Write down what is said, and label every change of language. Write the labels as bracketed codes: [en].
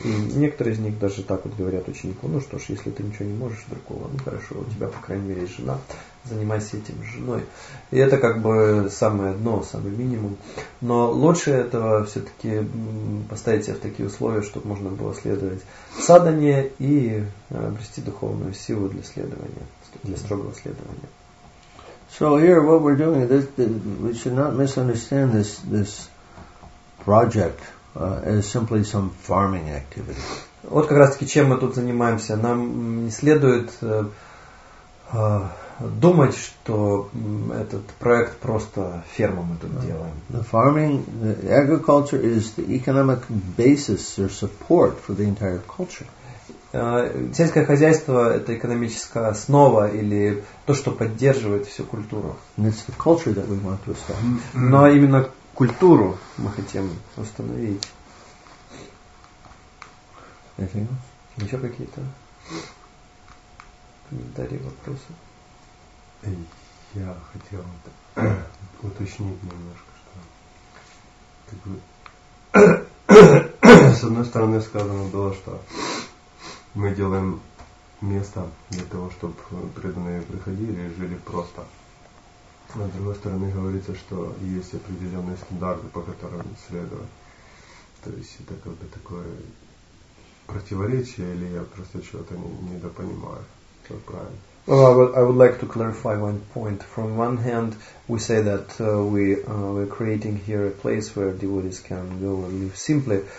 [ru] И некоторые из них даже так вот говорят ученику, ну что ж, если ты ничего не можешь другого, ну хорошо, у тебя по крайней мере есть жена, занимайся этим с женой. И это как бы самое дно, самый минимум. Но лучше этого все-таки поставить себя в такие условия, чтобы можно было следовать садхане и обрести духовную силу для следования, для строгого следования. [en] So here what we're doing, we should not misunderstand this project as simply some farming activity. [ru] Вот как раз таки чем мы тут занимаемся. Нам не следует думать, что этот проект просто ферма мы тут делаем. [en] The farming, the agriculture is the economic basis or support for the entire culture. [ru] Сельское хозяйство – это экономическая основа или то, что поддерживает всю культуру. [en] And it's the culture that we want to establish. Mm-hmm. [ru] Но именно культуру мы хотим установить. [en] Anything else? [ru] Еще какие-то комментарии, вопросы? Я хотел уточнить немножко, что как бы, с одной стороны сказано было, что мы делаем место для того, чтобы преданные приходили и жили просто. А с другой стороны говорится, что есть определенные стандарты, по которым следовать. То есть это как бы такое противоречие, или я просто чего-то недопонимаю, как правильно. [en] Well, I would like to clarify one point. From one hand, we say that we're creating here a place where devotees can go and live simply.